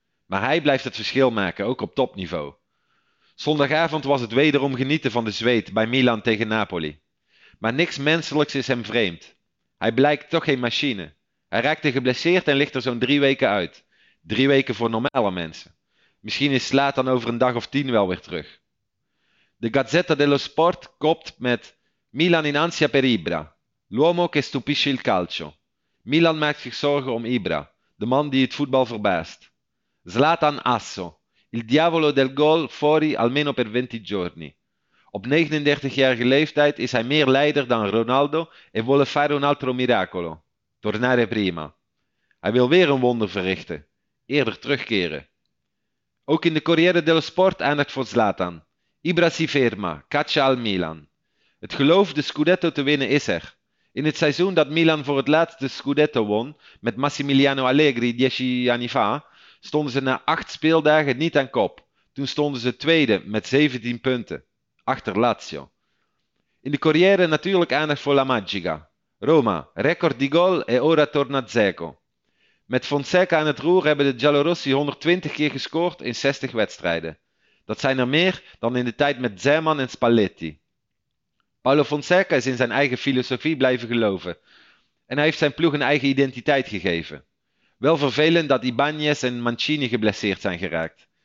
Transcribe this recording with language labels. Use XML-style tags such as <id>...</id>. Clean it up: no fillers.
<nl>Maar hij blijft het verschil maken, ook op topniveau. Zondagavond was het wederom genieten van de zweet bij Milan tegen Napoli. Maar niks menselijks is hem vreemd. Hij blijkt toch geen machine. Hij raakte geblesseerd en ligt er zo'n 3 weken uit. 3 weken voor normale mensen. Misschien is Zlatan over een dag of 10 wel weer terug.</nl> <it>De Gazzetta dello Sport</it> <nl>kopt met</nl> <it>Milan in ansia per Ibra, l'uomo che stupisce il calcio.</it> <nl>Milan maakt zich zorgen om Ibra, de man die het voetbal verbaast.</nl> <it>Zlatan Asso, il diavolo del gol fuori almeno per 20 giorni.</it> <nl>Op 39-jarige leeftijd is hij meer leider dan Ronaldo en</nl> <it>vuole fare un altro miracolo, tornare prima.</it> <nl>Hij wil weer een wonder verrichten, eerder terugkeren. Ook in de Corriere dello Sport aandacht voor Zlatan.</nl> <it>Ibra si ferma, caccia al Milan.</it> <nl>Het geloof de Scudetto te winnen is er. In het seizoen dat Milan voor het laatst de Scudetto won, met Massimiliano Allegri 10</nl> <it>anni fa,</it> <nl>stonden ze na 8 speeldagen niet aan kop. Toen stonden ze tweede met 17 punten, achter Lazio. In de carrière natuurlijk aandacht voor La Magica.</nl> <it>Roma, record di gol e ora torna Zeco.</it> <nl>Met Fonseca aan het roer hebben de Giallorossi 120 keer gescoord in 60 wedstrijden. Dat zijn er meer dan in de tijd met Zeman en Spalletti. Paolo Fonseca is in zijn eigen filosofie blijven geloven. En hij heeft zijn ploeg een eigen identiteit gegeven. Wel vervelend dat Ibanez en Mancini geblesseerd zijn geraakt.</nl>